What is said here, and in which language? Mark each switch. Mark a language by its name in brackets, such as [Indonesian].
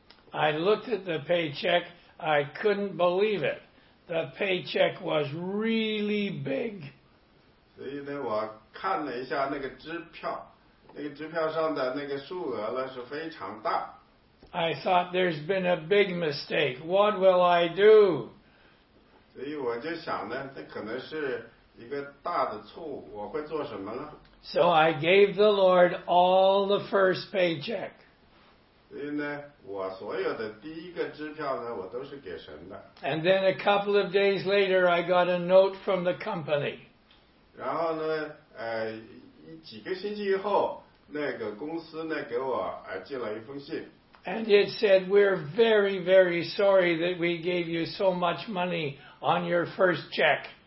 [English] I looked at the paycheck, I couldn't believe it. The paycheck was really big. [Chinese] 所以呢，我看了一下那个支票，那个支票上的那个数额呢是非常大。 [English] I thought there's been a big mistake. What will I do? [Chinese] 所以我就想呢，那可能是。一个大的错误，我会做什么呢？ [English] So I gave the Lord all the first paycheck. [Chinese] 所以呢，我所有的第一个支票呢，我都是给神的。 [English] And then a couple of days later, I got a note from the company. [Chinese] 然后呢，几个星期以后，那个公司呢给我寄了一封信。 [English] And it said, we're very, very sorry that we gave you so much money on your first check.